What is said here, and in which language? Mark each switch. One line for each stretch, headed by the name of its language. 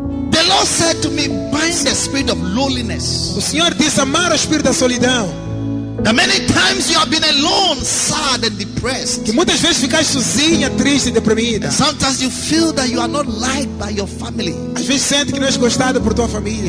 English: The Lord said to me, bind the spirit of loneliness.
Portuguese: O Senhor disse, amar o espírito da solidão.
English: That many times you have been alone, sad and depressed.
Portuguese: Que muitas vezes ficaste sozinha, triste e deprimida.
English: And sometimes you feel that you are not liked by your family.
Portuguese: Às vezes sente que não és gostada por tua família.